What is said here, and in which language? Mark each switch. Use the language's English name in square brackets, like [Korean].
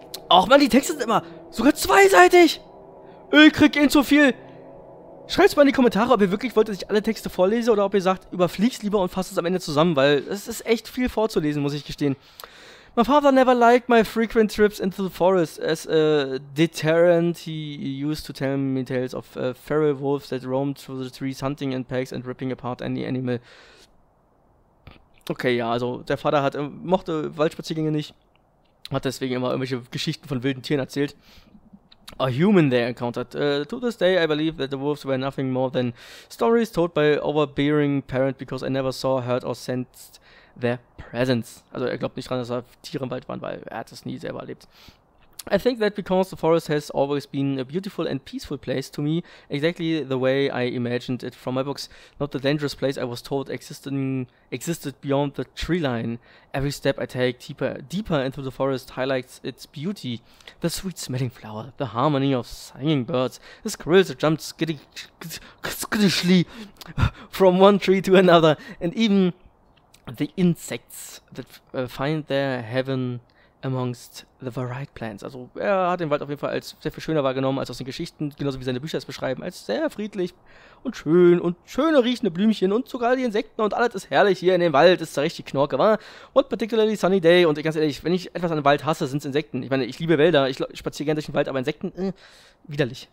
[German] Och man, die Texte sind immer sogar zweiseitig. Ich krieg ihn zu viel. Schreibt mal in die Kommentare, ob ihr wirklich wollt, dass ich alle Texte vorlese oder ob ihr sagt, überfliegt's lieber und fasst es am Ende zusammen, weil es ist echt viel vorzulesen, muss ich gestehen. [English] My father never liked my frequent trips into the forest as a deterrent. He used to tell me tales of feral wolves that roamed through the trees, hunting in packs and ripping apart any animal. [German] Okay, ja, also der Vater mochte Waldspaziergänge nicht, hat deswegen immer irgendwelche Geschichten von wilden Tieren erzählt. [English] A human they encountered. To this day, I believe that the wolves were nothing more than stories told by overbearing parent because I never saw, heard or sensed their presence. [German] Also er glaubt nicht dran, dass er Tiere im Wald waren, weil er hat es nie selber erlebt. [English] I think that because the forest has always been a beautiful and peaceful place to me, exactly the way I imagined it from my books, not the dangerous place I was told existed beyond the tree line. Every step I take deeper into the forest highlights its beauty. The sweet smelling flower, the harmony of singing birds, the squirrels that jump skittishly from one tree to another, and even the insects that find their heaven amongst the varied plants. [German] Also er hat den Wald auf jeden Fall als sehr viel schöner wahrgenommen als aus den Geschichten, genauso wie seine Bücher es beschreiben, als sehr friedlich und schön und schöne riechende Blümchen und sogar die Insekten und alles ist herrlich hier in dem Wald, ist da richtig Knorke, wa? [English] What particularly sunny day, [German] und ganz ehrlich, wenn ich etwas an dem Wald hasse, sind es Insekten. Ich meine, ich liebe Wälder, ich spaziere gerne durch den Wald, aber Insekten, widerlich.